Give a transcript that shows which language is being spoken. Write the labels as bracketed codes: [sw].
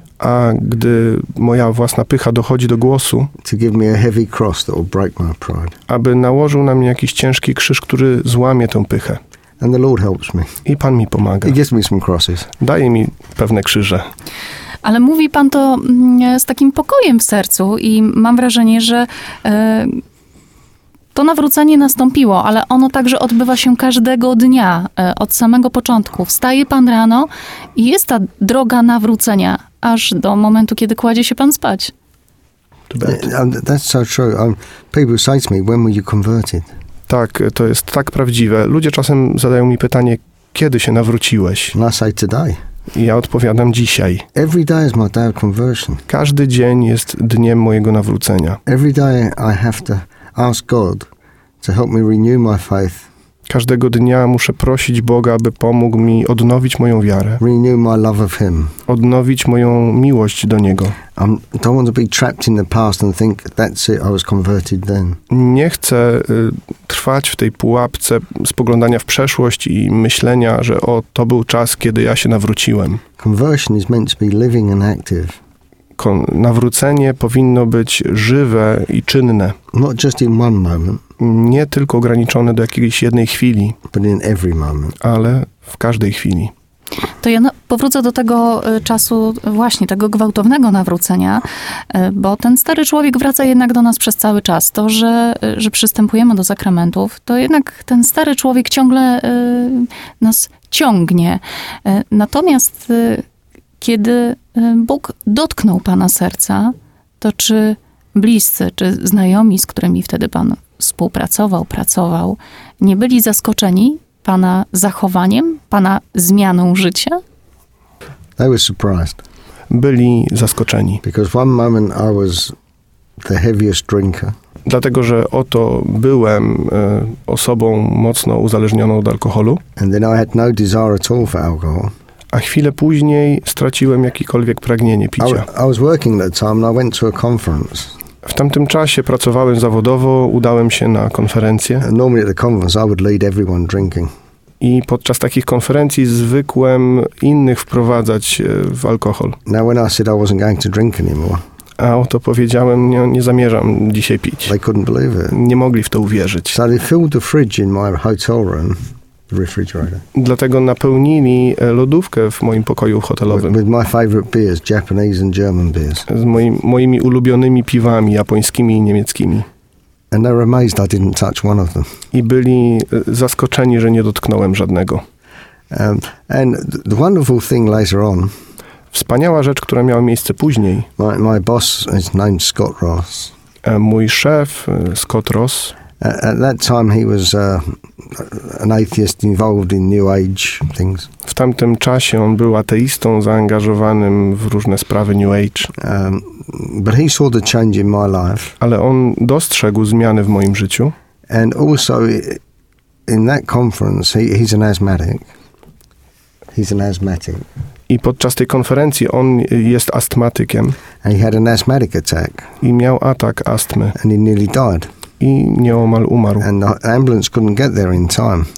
[pl] a gdy moja własna pycha dochodzi do głosu, [en] to give me a heavy cross that will break my pride, [pl] aby nałożył na mnie jakiś ciężki krzyż, który złamie tę pychę. [en] And the Lord helps me. [pl] I Pan mi pomaga. [en] He gives me some crosses. [pl] Daje mi pewne krzyże. Ale mówi Pan to z takim pokojem w sercu i mam wrażenie, że to nawrócenie nastąpiło, ale ono także odbywa się każdego dnia, od samego początku. Wstaje Pan rano i jest ta droga nawrócenia, aż do momentu, kiedy kładzie się Pan spać. [en] That's so true. People say to me, when were you converted? [pl] Tak, to jest tak prawdziwe. Ludzie czasem zadają mi pytanie, kiedy się nawróciłeś? [en] And I say today. [pl] I ja odpowiadam dzisiaj. [en] Every day is my day of conversion. [pl] Każdy dzień jest dniem mojego nawrócenia. [en] Every day I have to ask God to help me renew my faith. [pl] Każdego dnia muszę prosić Boga, aby pomógł mi odnowić moją wiarę. [en] Renew my love of Him. [pl] Odnowić moją miłość do Niego. [en] I don't want to be trapped in the past and think that's it, I was converted then. [pl] Nie chcę trwać w tej pułapce spoglądania w przeszłość i myślenia, że o, to był czas, kiedy ja się nawróciłem. [en] Conversion is meant to be living and active. [pl] Nawrócenie powinno być żywe i czynne. [en] Not just in one moment, [pl] nie tylko ograniczone do jakiejś jednej chwili, [en] but in every moment, [pl] ale w każdej chwili. To ja powrócę do tego czasu właśnie, tego gwałtownego nawrócenia, bo ten stary człowiek wraca jednak do nas przez cały czas. To, że przystępujemy do sakramentów, to jednak ten stary człowiek ciągle nas ciągnie. Natomiast kiedy Bóg dotknął Pana serca, to czy bliscy, czy znajomi, z którymi wtedy Pan współpracował, pracował, nie byli zaskoczeni Pana zachowaniem, Pana zmianą życia? [en] They were surprised. [pl] Byli zaskoczeni. [en] Because one moment I was the heaviest drinker. [pl] Dlatego, że oto byłem osobą mocno uzależnioną od alkoholu. [en] And then I had no desire at all for alcohol. [pl] A chwilę później straciłem jakiekolwiek pragnienie picia. [en] I was working that time and I went to a conference. [pl] W tamtym czasie pracowałem zawodowo, udałem się na konferencję. [en] Normally at the conference I would lead everyone drinking. [pl] I podczas takich konferencji zwykłem innych wprowadzać w alkohol. [en] Now when I said I wasn't going to drink anymore. [pl] A oto powiedziałem, nie zamierzam dzisiaj pić. [en] They couldn't believe it. [pl] Nie mogli w to uwierzyć. [en] So they filled the fridge in my hotel room. Refrigerator. [pl] Dlatego napełnili lodówkę w moim pokoju hotelowym. [en] With my favorite beers, Japanese and German beers. [pl] Z moimi ulubionymi piwami, japońskimi i niemieckimi. [en] And they were amazed I didn't touch one of them. [pl] I byli zaskoczeni, że nie dotknąłem żadnego. [en] And the wonderful thing later on. [pl] Wspaniała rzecz, która miała miejsce później. [en] My boss is named Scott Ross. [pl] Mój szef, Scott Ross. [en] At that time he was an atheist involved in new age things. [pl] W tamtym czasie on był ateistą zaangażowanym w różne sprawy new age. [en] But he saw the change in my life. [pl] Ale on dostrzegł zmiany w moim życiu. [en] And also in that conference he's an asthmatic. [pl] I podczas tej konferencji on jest astmatykiem. [en] And he had an asthmatic attack. [pl] I miał atak astmy. [en] And he nearly died. [pl] I nieomal umarł. [en] And the ambulance couldn't get there in time.